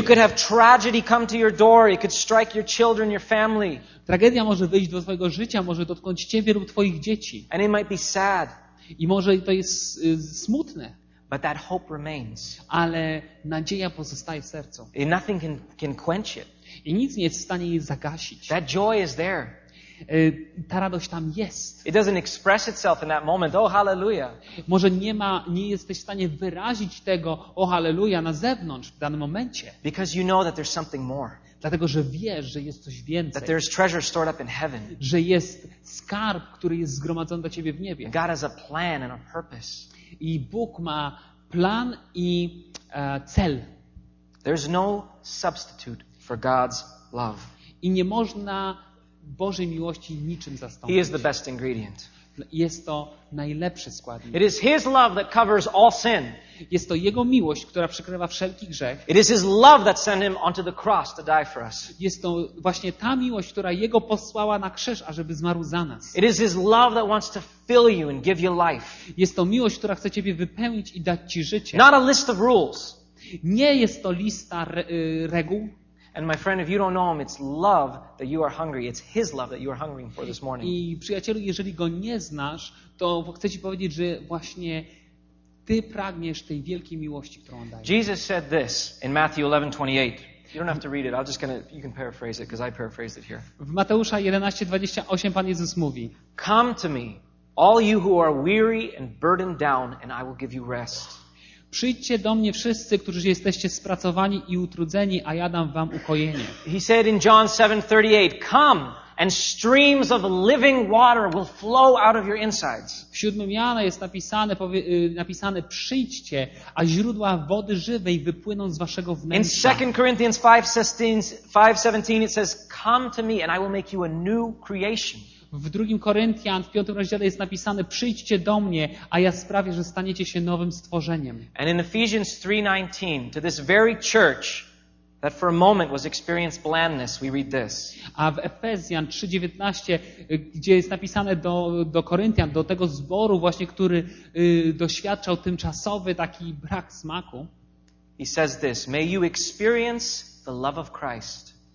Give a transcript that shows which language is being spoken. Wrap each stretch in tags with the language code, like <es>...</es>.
<en>You could have tragedy come to your door, it could strike your children, your family.</en> <pl>Tragedia może wyjść do twojego życia, może dotknąć ciebie lub twoich dzieci.</pl> <en>And it might be sad.</en> <pl>I może to jest smutne.</pl> <en>But that hope remains.</en> <pl>Ale nadzieja pozostaje w sercu.</pl> <en>And nothing can quench it.</en> <pl>I nic nie jest w stanie jej zagasić.</pl> <en>That joy is there.</en> <pl>Ta radość tam jest.</pl> <en>It doesn't express itself in that moment. Oh, hallelujah.</en> <pl>Może nie jesteś w stanie wyrazić tego o hallelujah na zewnątrz w danym momencie.</pl> <en>Because you know that there's something more.</en> <pl>Dlatego, że wiesz, że jest coś więcej.</pl> <en>That there is treasure stored up in heaven.</en> <pl>Że jest skarb, który jest zgromadzony dla ciebie w niebie.</pl> <en>And God has a plan and a purpose.</en> <pl>I Bóg ma plan i cel.</pl> <en>There's no substitute for God's love.</en> <pl>I nie można Bożej miłości niczym zastąpić.</pl> <en>He is the best ingredient.</en> <pl>Jest to najlepszy składnik.</pl> <en>It is his love that covers all sin.</en> <pl>Jest to jego miłość, która przykrywa wszelki grzech.</pl> <en>It is his love that sent him onto the cross to die for us.</en> <pl>Jest to właśnie ta miłość, która jego posłała na krzyż, ażeby zmarł za nas.</pl> <en>It is his love that wants to fill you and give you life.</en> <pl>Jest to miłość, która chce ciebie wypełnić i dać ci życie.</pl> <en>Not a list of rules.</en> <pl>Nie jest to lista reguł.</pl> <en>And my friend, if you don't know him, it's love that you are hungry. It's his love that you are hungering for this morning.</en> <pl>I przyjacielu, jeżeli go nie znasz, to chcę ci powiedzieć, że właśnie ty pragniesz tej wielkiej miłości, którą on daje.</pl> <en>Jesus said this in Matthew 11:28. You don't have to read it. You can paraphrase it because I paraphrased it here.</en> <pl>W Mateusza 11:28 Pan Jezus mówi:</pl> <en>Come to me, all you who are weary and burdened down, and I will give you rest.</en> <pl>Przyjdźcie do mnie wszyscy, którzy jesteście spracowani i utrudzeni, a ja dam wam ukojenie.</pl> <en>He said in John 7:38, come and streams of living water will flow out of your insides.</en> <pl>W 7 Jana jest napisane przyjdźcie, a źródła wody żywej wypłyną z waszego wnętrza.</pl> <en>In 2 Corinthians 5:17 it says come to me and I will make you a new creation.</en> <pl>W 2 Koryntian, w 5 rozdziale jest napisane: przyjdźcie do mnie, a ja sprawię, że staniecie się nowym stworzeniem.</pl> <en>And in Ephesians 3:19, to this very church that for a moment was experienced blandness, we read this.</en> <pl>A w Efezjan 3:19, gdzie jest napisane do Koryntian, do tego zboru właśnie, który doświadczał tymczasowy taki brak smaku.</pl> <en>He says this: may you experience the love of Christ.</en>